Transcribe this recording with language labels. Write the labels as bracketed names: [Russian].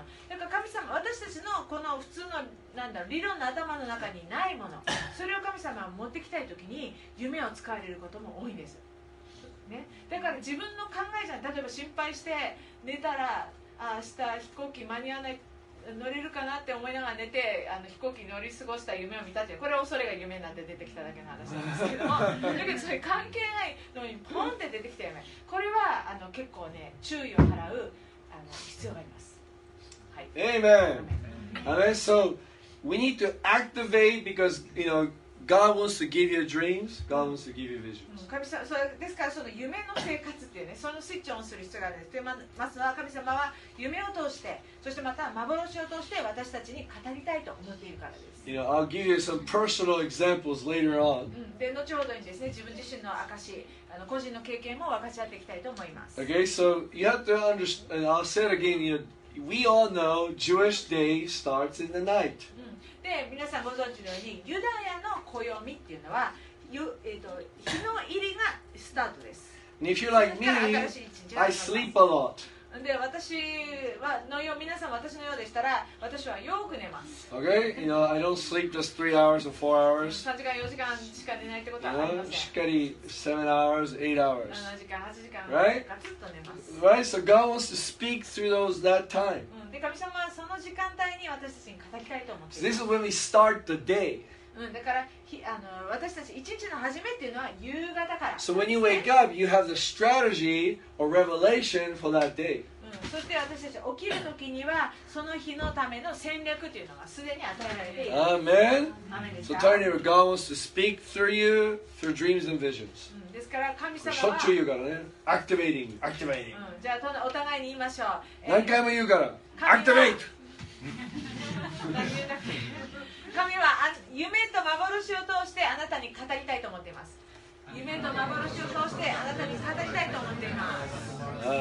[Japanese] だから神様、私たちのこの普通のなんだろう理論の頭の中にないもの、それを神様が持ってきたいときに夢を使われることも多いんです、ね、だから自分の考えじゃない。例えば心配して寝たら、あ、明日飛行機間に合わない、乗れるかなって思いながら寝て、飛行機乗り過ごした夢を見たって、これは恐れが夢なんて出てきただけの話なんですけども、だけどそれ関係ないのにポンって出てきた夢、これは結構ね、注意を払う必要があります。はい。 [English] Amen. Amen. So we need to activate because you know God wants to give you dreams. God wants to give you visions. [Japanese] 神様、それですからその夢の生活っていうね、そのスイッチオンする必要があるんです。まずは神様は夢を通して、そしてまた幻を通して私たちに語りたいと思っているからです。 [English] You know, I'll give you some personal examples later on. [Japanese] で、後ほどにですね、自分自身の証、個人の経験も分かち合っていきたいと思います。 [English] Okay, so you have to understand. I'll say it again. You know, we all know Jewish day starts in the night. [Japanese] で皆さんご存知のようにユダヤの暦っていうのは、日の入りがスタートです。 [English] And if you're like me, I sleep a lot. [Japanese] で私はのよう、皆さん私のようでしたら、私はよく寝ます。 [English] Okay, you know, I don't sleep just 3 hours or 4 hours. [Japanese] 3時間4時間しか寝ないってことはありません。しっかり [English] 7 hours, 8 hours. [Japanese] 7時間8時間ガツッと寝ます。 [English] Right, so God wants to speak through those that time. [Japanese] で神様はその時間帯に私たちに語りたいと思っています [English] 。 This is when we start the day. [Japanese] だから私たち一日の始めっていうのは夕方から。 [English] So when you wake up, you have the strategy or revelation for that day. [Japanese] そして私たち起きる時にはその日のための戦略っていうのがすでに与えられている。 [English] Amen. Amen. So turn your God wants to speak through you through dreams and visions. [Japanese] ですから神様はしょっちゅう言うからね。 [English] Activating. Activating. [Japanese] じゃあお互いに言いましょう。何回も言うから。 [English] Activate. [Japanese] 神は夢と幻を通してあなたに語りたいと思っています。夢と幻を通してあなたに語りたいと思っています。